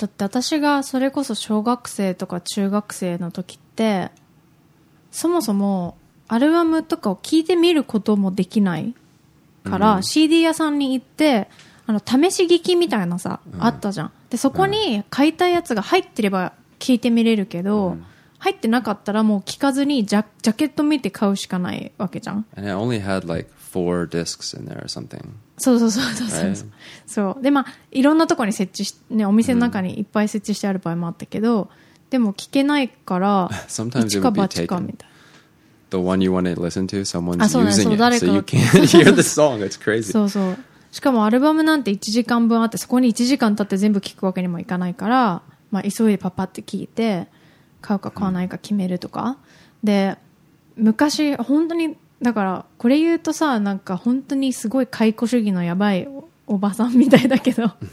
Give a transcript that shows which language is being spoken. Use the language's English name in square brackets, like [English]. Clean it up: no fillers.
[Japanese] だって私がそれこそ小学生とか中学生の時ってそもそもアルバムとかを聞いてみることもできないから、CD 屋さんに行って試し聞きみたいなさ、あったじゃん。でそこに買いたいやつが入ってれば聞いてみれるけど、入ってなかったらもう聞かずにジャケット見て買うしかないわけじゃん。 [English] And it only had like four discs in there or something. [Japanese] そうそうそうそうそう。 [English] Right? [Japanese] そう。で、まあ、いろんなとこに設置し、ね、お店の中にいっぱい設置してある場合もあったけど、でも聞けないから一か八かみたいな。 [English] The one you want to listen to, someone's using it, so you can't hear the song. It's crazy. [Japanese] そうそう。しかもアルバムなんて1時間分あって、そこに1時間経って全部聞くわけにもいかないから、まあ、急いでパッパって聞いて買うか買わないか決めるとか、で昔本当にだからこれ言うとさ、なんか本当にすごい解雇主義のやばい おばさんみたいだけどなん